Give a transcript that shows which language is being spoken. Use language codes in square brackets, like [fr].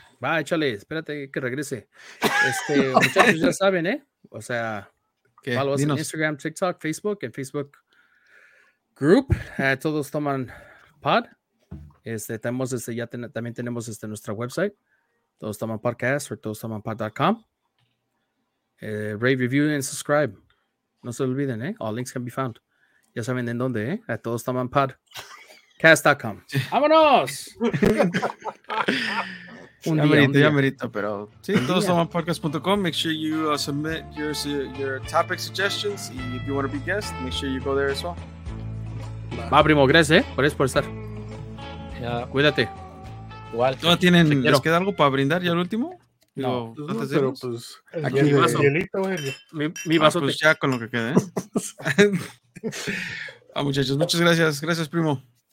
[es] Va, échale, espérate que regrese. muchachos ya saben, ¿eh? O sea, [en] follow us [es] en Instagram, TikTok, Facebook, en Facebook Group. Todos toman pod. También tenemos nuestra website. Todos toman podcast o todostomanpod.com. [en] Rate, review, and subscribe. [es] No se olviden, ¿eh? [en] All links can be found. [es] Ya saben en dónde, ¿eh? A todos toman podcast.com. ¡Vámonos! Ya merito, pero sí, todostomanpodcast.com. [en] Make sure you submit your topic suggestions. Y if you want to be guest, make sure you go there as well. [es] Va, primo, gracias, por estar. Cuídate. Igual. ¿Tú no tienen, les queda algo para brindar ya el último? No, antes de irnos. Aquí mi vaso. Mi vaso. Pues ya con lo que quede. Muchachos, muchas gracias. Gracias, primo.